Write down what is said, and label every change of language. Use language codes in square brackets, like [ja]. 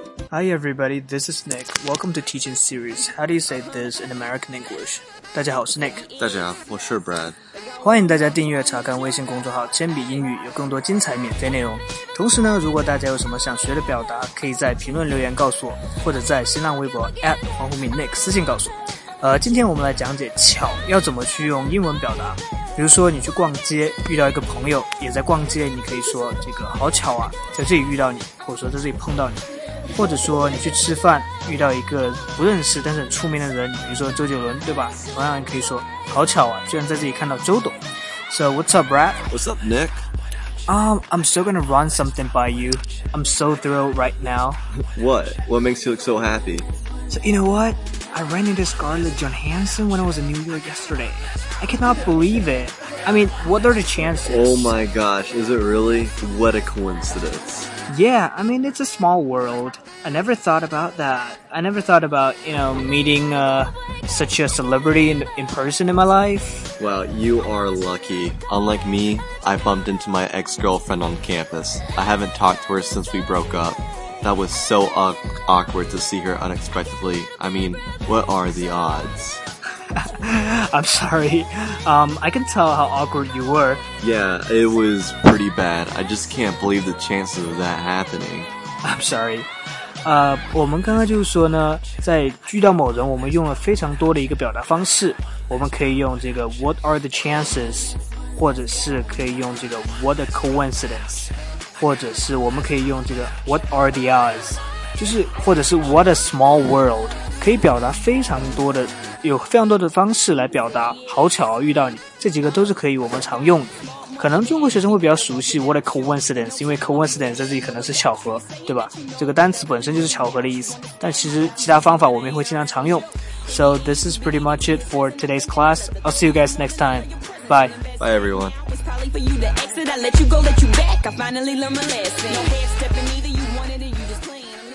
[en] Hi everybody, this is Nick. Welcome to teaching series. How do you say this in American English? [zh] 大家好，我是 Nick。大家好，我是 Brad。欢迎大家订阅查看微信公众号铅笔英语，有更多精彩免费内容。同时呢，如果大家有什么想学的表达，可以在评论留言告诉我，或者在新浪微博 @ 黄宏敏 Nick 私信告诉我。今天我们来讲解巧要怎么去用英文表达。比如说你去逛街遇到一个朋友也在逛街，你可以说这个好巧啊，在这里遇到你，或者说在这里碰到你。或者说你去吃饭遇到一个不认识但是很出名的人，比如说周杰伦，对吧？同样可以说好巧啊，居然在这里看到周董。 [en] So what's up Brad? What's up Nick? I'm still gonna run something by you. I'm so thrilled right now. What? What makes you look so happy? So you know what? I ran into Scarlett Johansson when I was in New York yesterday. I cannot believe it. I mean, what are the chances? Oh my gosh, is it really? What a coincidence. Yeah, I mean, it's a small world. I never thought about that. I never thought about, you know, meeting, such a celebrity in person in my life. Well, you are lucky. Unlike me, I bumped into my ex-girlfriend on campus. I haven't talked to her since we broke up. That was so awkward to see her unexpectedly. I mean, what are the odds? I'm sorry. I can tell how awkward you were. Yeah, it was pretty bad. I just can't believe the chances of that happening. I'm sorry. [zh] 我们刚刚就是说呢，在遇到某人，我们用了非常多的一个表达方式。我们可以用这个 [en] what are the chances, [zh] 或者是可以用这个 [en] what a coincidence. [zh] 或者是我们可以用这个 [en] What are the odds? [zh] 就是或者是 [en] What a small world? [zh] 可以表达非常多的有非常多的方式来表达好巧遇到你，这几个都是可以我们常用的。可能中国学生会比较熟悉 [en] What a coincidence, [zh] 因为 coincidence 在这里可能是巧合，对吧？这个单词本身就是巧合的意思，但其实其他方法我们也会经常常用。 [en] So this is pretty much it for today's class. I'll see you guys next time. Bye. Bye everyone. For you to exit, I let you go, let you back. I finally learned my lesson. No half stepping either, you wanted it, you just claimed.